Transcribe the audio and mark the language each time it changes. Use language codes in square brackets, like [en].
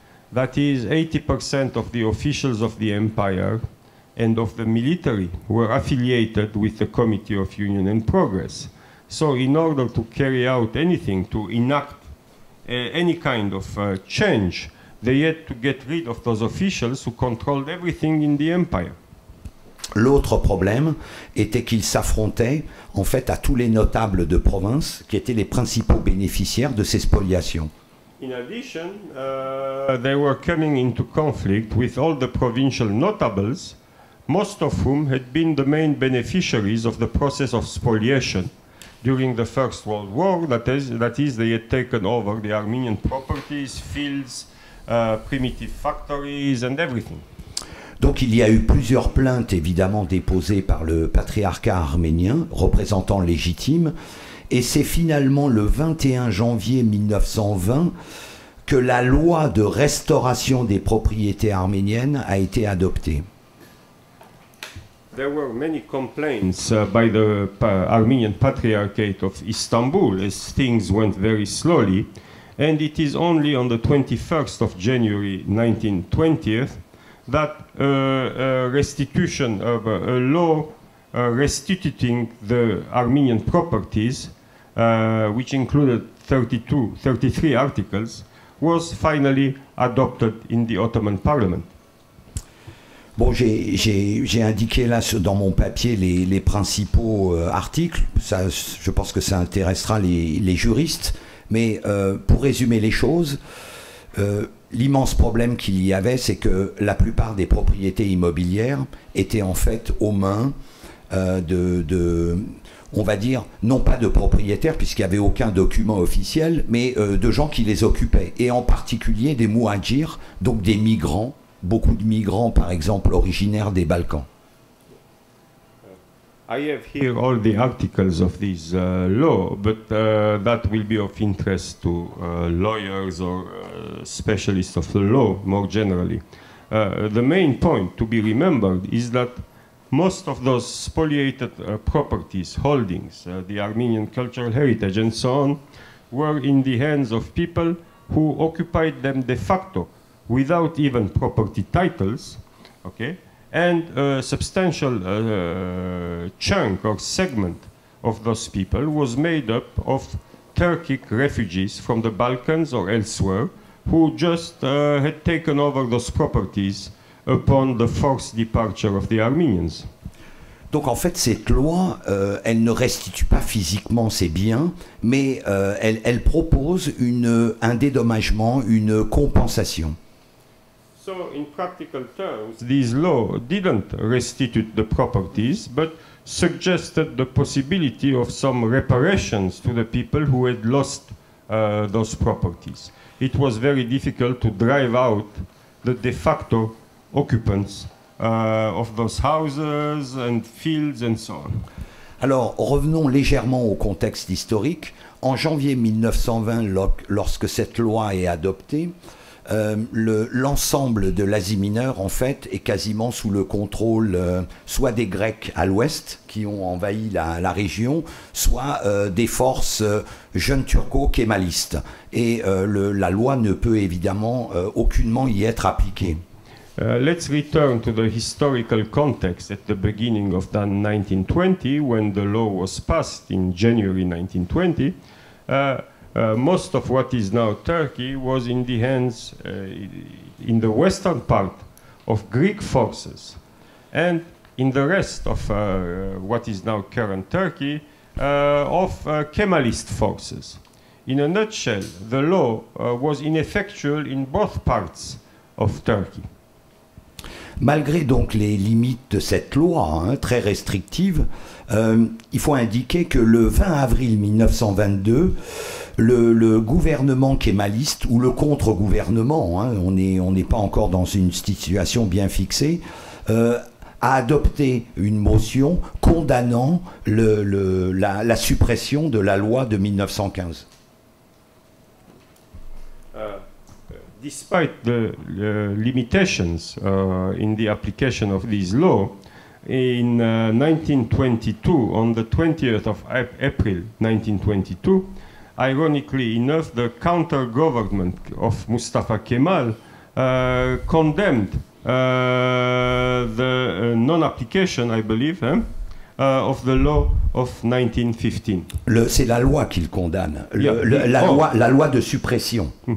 [en] That is, 80% of the officials of the empire and of the military were affiliated with the Committee of Union and Progress. So in order to carry out anything, to enact any kind of change, They had to get rid of those officials who controlled everything in the empire. [fr] L'autre problème était qu'ils s'affrontaient en fait à tous les notables de province qui étaient les principaux bénéficiaires de ces spoliations. [en] In addition, they were coming into conflict with all the provincial notables, most of whom had been the main beneficiaries of the process of spoliation during the First World War. That is, they had taken over the Armenian properties, fields, primitive factories, and everything. [fr] Donc il y a eu plusieurs plaintes évidemment déposées par le patriarcat arménien, représentant légitime. Et c'est finalement le 21 janvier 1920 que la loi de restauration des propriétés arméniennes a été adoptée. [en] There were many complaints by the Armenian Patriarchate of Istanbul as things went very slowly, and it is only on the 21st of January 1920 that restitution of a law restituting the Armenian properties, which included 33 articles, was finally adopted in the Ottoman Parliament. [fr] Bon, j'ai indiqué là dans mon papier les principaux articles. Ça, je pense que ça intéressera les juristes. Mais pour résumer les choses, l'immense problème qu'il y avait, c'est que la plupart des propriétés immobilières étaient en fait aux mains de on va dire, non pas de propriétaires, puisqu'il n'y avait aucun document officiel, mais de gens qui les occupaient, et en particulier des muhajirs, donc des migrants, beaucoup de migrants, par exemple, originaires des Balkans. [en] I have here all the articles of this law, but that will be of interest to lawyers or specialists of the law, more generally. The main point to be remembered is that most of those spoliated properties, holdings, the Armenian cultural heritage and so on, were in the hands of people who occupied them de facto, without even property titles, okay? And a substantial chunk or segment of those people was made up of Turkic refugees from the Balkans or elsewhere, who just had taken over those properties upon the forced departure of the Armenians. [fr] Donc en fait, cette loi, elle ne restitue pas physiquement ces biens, mais elle propose un dédommagement, une compensation. [en] So in practical terms, this law didn't restitute the properties, but suggested the possibility of some reparations to the people who had lost those properties. It was very difficult to drive out the de facto occupants of those houses and fields and so on. [fr] Alors, revenons légèrement au contexte historique. En janvier 1920, lorsque cette loi est adoptée, l'ensemble de l'Asie mineure, en fait, est quasiment sous le contrôle soit des Grecs à l'ouest, qui ont envahi la région, soit des forces jeunes turco-kémalistes. Et la loi ne peut évidemment aucunement y être appliquée. [en] Let's return to the historical context at the beginning of the 1920, when the law was passed in January 1920. Most of what is now Turkey was in the hands, in the western part, of Greek forces. And in the rest of what is now current Turkey, of Kemalist forces. In a nutshell, the law was ineffectual in both parts of Turkey. [fr] Malgré donc les limites de cette loi, hein, très restrictive, il faut indiquer que le 20 avril 1922, le gouvernement kémaliste, ou le contre-gouvernement, hein, on n'est pas encore dans une situation bien fixée, a adopté une motion condamnant la suppression de la loi de 1915. [en] Despite the limitations in the application of this law, in 1922, on the 20th of April 1922, ironically enough, the counter-government of Mustafa Kemal condemned the non-application, I believe, of the law of 1915. [fr] C'est la loi qu'il condamne, la loi de suppression.